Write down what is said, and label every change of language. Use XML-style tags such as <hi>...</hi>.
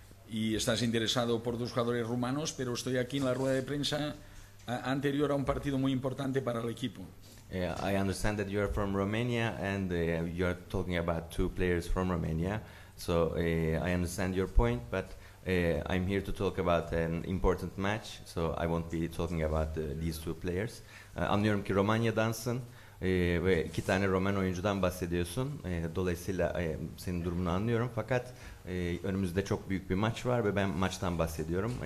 <es>y estás interesado por tus jugadores rumanos, pero estoy aquí en la rueda de prensa anterior a un partido muy importante para el equipo.</es> <en>I understand that you are from Romania and you are talking about two players from Romania. So I understand your point, but I'm here to talk about an important match, so I won't be talking about these two players.</en> <tr>Anlıyorum ki Romanya'dansın ve iki tane Roman oyuncudan bahsediyorsun. Dolayısıyla senin durumunu anlıyorum. Fakat önümüzde çok büyük bir maç var ve ben maçtan bahsediyorum.</tr>